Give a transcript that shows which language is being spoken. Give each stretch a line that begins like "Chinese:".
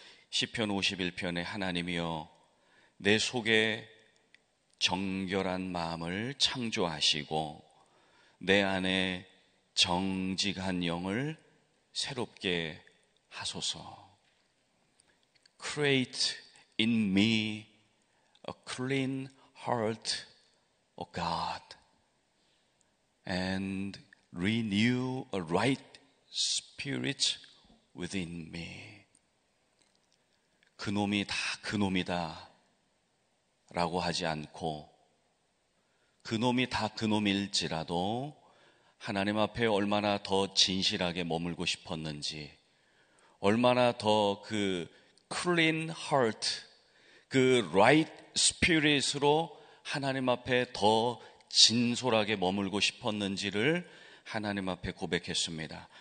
Korean: 시편 51편에 하나님이여 내 속에 정결한 마음을 창조하시고 내 안에 정직한 영을 새롭게 하소서.
English: Create in me a clean heart, O God, and renew a right spirit within me.
Korean: 그놈이 다 그놈이다 라고 하지 않고, 그놈이 다 그놈일지라도 하나님 앞에 얼마나 더 진실하게 머물고 싶었는지, 얼마나 더그
English: clean heart,
Korean: 그
English: right spirit
Korean: 으로 하나님 앞에 더 진솔하게 머물고 싶었는지를 하나님 앞에 고백했습니다.